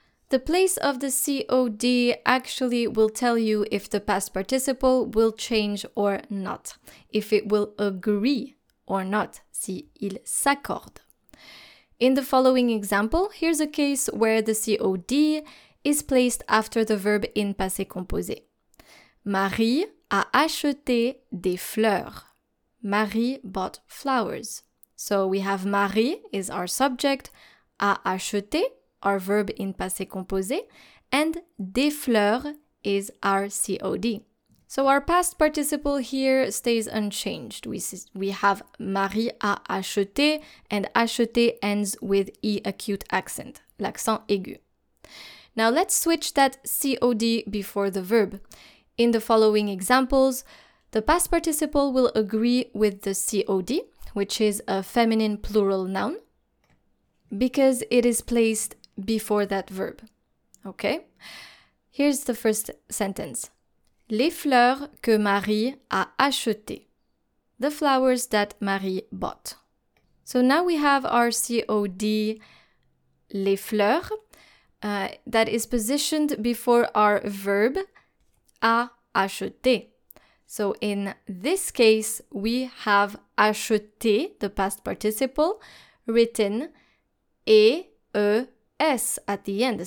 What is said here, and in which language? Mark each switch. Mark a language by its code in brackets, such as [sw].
[en] The place of the COD actually will tell you if the past participle will change or not, if it will agree or not, [fr] si il s'accorde. [en] In the following example, here's a case where the COD is placed after the verb in passé composé. [fr] Marie a acheté des fleurs. [en] Marie bought flowers. So we have Marie is our subject, a acheté, our verb in passé composé, and des fleurs is our COD. So our past participle here stays unchanged. We have Marie a acheté, and acheté ends with E acute accent, l'accent aigu. Now let's switch that COD before the verb. In the following examples, the past participle will agree with the COD, which is a feminine plural noun, because it is placed before that verb. Okay? Here's the first sentence. [fr] Les fleurs que Marie a achetées. [en] The flowers that Marie bought. So now we have our COD, les fleurs, that is positioned before our verb, a acheter. So in this case, we have acheté, the past participle, written E-E-S at the end.